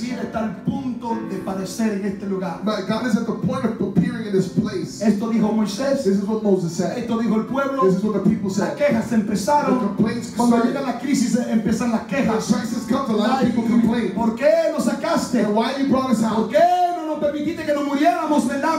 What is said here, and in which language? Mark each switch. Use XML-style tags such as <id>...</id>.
<es>Mi vida está al punto de padecer en este lugar.</es> <en>But God is at the point of appearing in this place.</en> <es>Esto dijo Moisés.</es> <en>This is what Moses said.</en> <es>Esto dijo el pueblo.</es> <en>This is what the people said.</en> <es>Las quejas empezaron.</es> <en>The complaints started.</en> <es>Cuando llega la crisis, empiezan las quejas.</es> <en>When crisis comes, a lot of people complain.</en> <es>¿Por qué nos sacaste?</es> <en>And why you brought us out?</en> <es>¿Por qué no nos permitiste que nos muriéramos, verdad?</es>